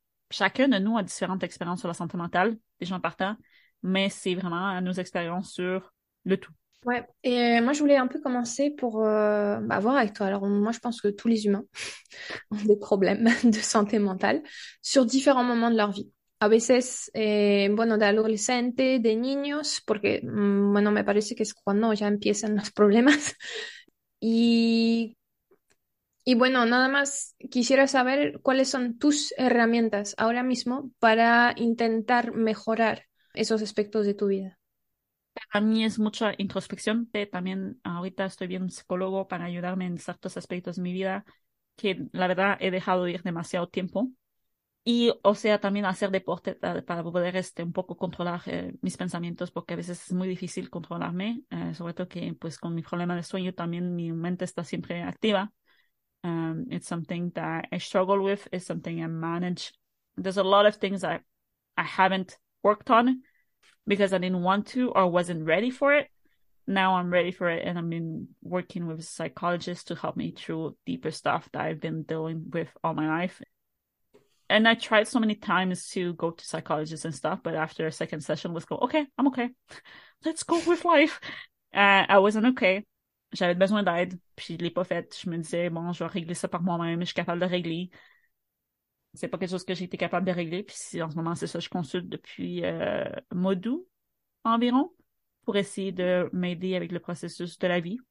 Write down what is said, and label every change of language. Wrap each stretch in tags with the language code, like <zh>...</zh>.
<fr>Chacun de nous a différentes expériences sur la santé mentale, les gens partant. Mais c'est vraiment nos expériences sur le tout. Ouais, et moi je voulais un peu commencer pour voir avec toi. Alors moi je pense que tous les humains ont des problèmes de santé mentale sur différents moments de leur vie.</fr> <es>A veces, bueno, de adolescente, de niños, porque bueno, me parece que es cuando ya empiezan los problemas. Y bueno, nada más quisiera saber cuáles son tus herramientas ahora mismo para intentar mejorar esos aspectos de tu vida. A mí es mucha introspección, pero también ahorita estoy viendo un psicólogo para ayudarme en ciertos aspectos de mi vida que la verdad he dejado ir demasiado tiempo. Y o sea, también hacer deporte para poder un poco controlar mis pensamientos, porque a veces es muy difícil controlarme, sobre todo que pues con mi problema de sueño también mi mente está siempre activa.</es> <en>It's something that I struggle with, it's something I manage. There's a lot of things that I haven't worked on. Because I didn't want to or wasn't ready for it. Now I'm ready for it and I've been working with a psychologist to help me through deeper stuff that I've been dealing with all my life. And I tried so many times to go to psychologists and stuff, but after a second session was go, okay, I'm okay. Let's go with life. I wasn't okay.</en> <fr>J'avais besoin d'aide, puis je l'ai pas fait. Je me disais, bon, je vais régler ça par moi-même, je suis capable de régler. C'est pas quelque chose que j'ai été capable de régler. Puis si en ce moment, c'est ça, je consulte depuis mois d'août environ pour essayer de m'aider avec le processus de la vie.</fr>